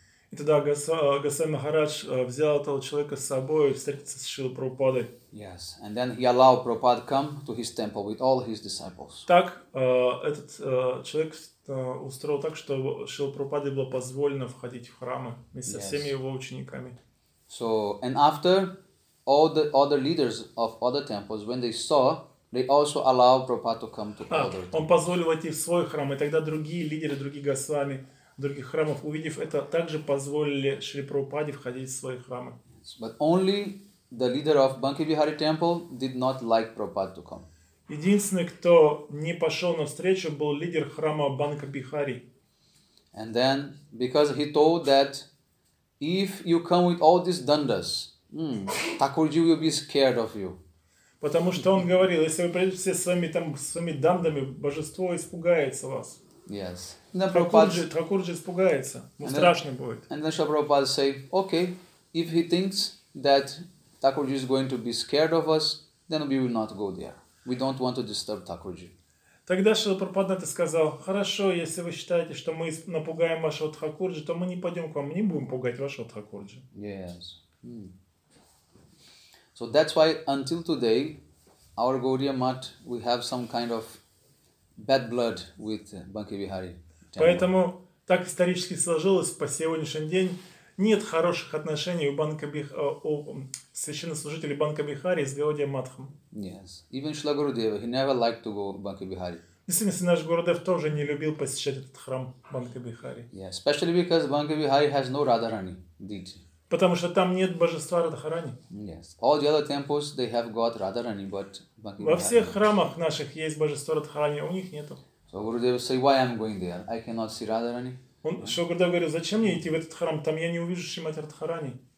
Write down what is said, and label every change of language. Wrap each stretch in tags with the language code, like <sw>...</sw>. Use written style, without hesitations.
<ru>И тогда Госвами Махарадж взял этого человека с собой и встретился с Шрилой Прабхупадой.</ru> <en>Yes, and then he allowed Prabhupada come to his temple with all his disciples.</en> <ru>Так этот человек устроил так, что Шрила Прабхупаде было позволено входить в храмы вместе со всеми его учениками.</ru> <en>So and after all the other leaders of other temples, when they saw, they also allowed Prabhupada to come to other temples.</en> <ru>Он позволил войти в свой храм, и тогда другие лидеры, другие госвами других храмов, увидев это, также позволили Шри Прабхупаде входить в свои храмы.</ru> <en>Yes, but only the leader of Banki Bihari temple did not like Prabhupada to come.</en> <ru>Единственный, кто не пошел навстречу, был лидер храма Банка Бихари.</ru> <en>And then, because he told that if you come with all these dandas, Thakurji will be scared of you.</en> <ru>Потому что он говорил, если вы придете все с вами дандами, божество испугается вас.</ru> <en>Yes.</en> <ru>Thakurji испугается. Страшно будет.</ru> <en>And then Shri Prabhupada say, okay, if he thinks that Thakurji is going to be scared of us, then we will not go there. We don't want to disturb Thakurji.</en> <ru>Тогда Шрила Прабхупада сказал: "Хорошо, если вы считаете, что мы напугаем вашего Тхакурджи, то мы не пойдем к вам, мы не будем пугать вашего Тхакурджи."</ru> <en>Yes. So that's why until today, our Gaudiya Math, we have some kind of bad blood with Banki Bihari.</en> <ru>Поэтому так исторически сложилось, по сегодняшний день нет хороших отношений у священнослужителей Банка Бихари с Гаудия Матхом.</ru> <en>Yes. Even Шрила Гурудева, he never liked to go to Банка Бихари.</en> <ru>Действительно, наш Гурудев тоже не любил посещать этот храм Банка Бихари.</ru> <en>Yes, especially because Банка Бихари has no Radharani deity.</en> <ru>Потому что там нет божества Радхарани.</ru> <en>Yes. All the other temples, they have got Radharani, but Банка</en> <ru>Бихари. Во всех храмах наших есть божество Радхарани, а у них нету.</ru> <en>So Gurudev say, "Why I'm going there? I cannot see Radharani."</en> <ru>Он, Шрила Гурудев говорил: "Зачем мне идти в этот храм? Там я не увижу Шримати Радхарани."</ru>